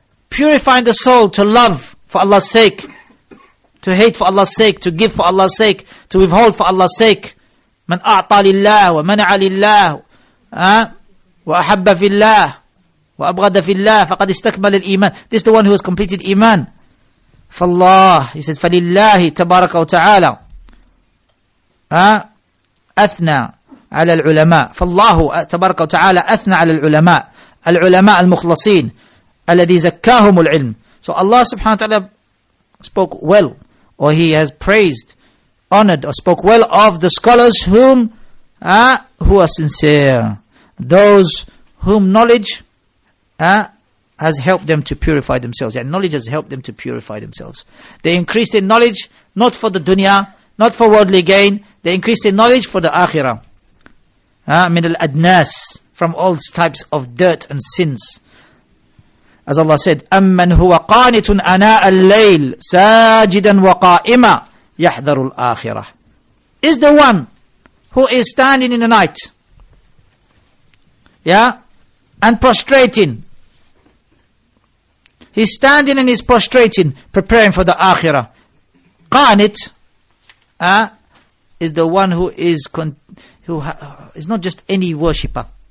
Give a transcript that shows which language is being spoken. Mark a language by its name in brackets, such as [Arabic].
[English] Purifying the soul to love for Allah's sake, to hate for Allah's sake, to give for Allah's sake, to withhold for Allah's sake. [Arabic] مَنْ أَعْطَى لِلَّهُ وَمَنَعَ لِلَّهُ وَأَحَبَّ فِي اللَّهِ وَأَبْغَدَ فِي اللَّهِ فَقَدْ إِسْتَكْمَلِ الْإِيمَانِ. [English] This is the one who has completed iman. [Arabic] فَاللَّهِ, [English] he said, [Arabic] فَلِلَّهِ تَبَارَكَ وَتَعَالَى أَثْنَى عَلَى الْعُلَمَاءِ. فَاللَّهُ تَبَارَكَ وَتَعَالَى أَثْنَى عَلَى الْعُلَمَاءِ, الْعُلَمَاءِ الْمُخْلَصِينَ الَّذِي زَكَّاهُمُ الْعِلْمِ. [English] So Allah subhanahu wa ta'ala spoke well, or he has praised, honored, or spoke well of the scholars whom who are sincere, those whom knowledge has helped them to purify themselves. Yeah, knowledge has helped them to purify themselves. They increased in knowledge not for the dunya, not for worldly gain. They increased in knowledge for the akhirah. Min al adnas, from all types of dirt and sins. As Allah said, [Arabic] أَمَّنْ هُوَ قَانِتٌ أَنَاءَ اللَّيْلِ سَاجِدًا وَقَائِمًا يَحْذَرُ الْآخِرَةِ. [English] Is the one who is standing in the night, and prostrating. He's standing and he's prostrating, preparing for the akhirah. Qanit is the one who is is not just any worshipper.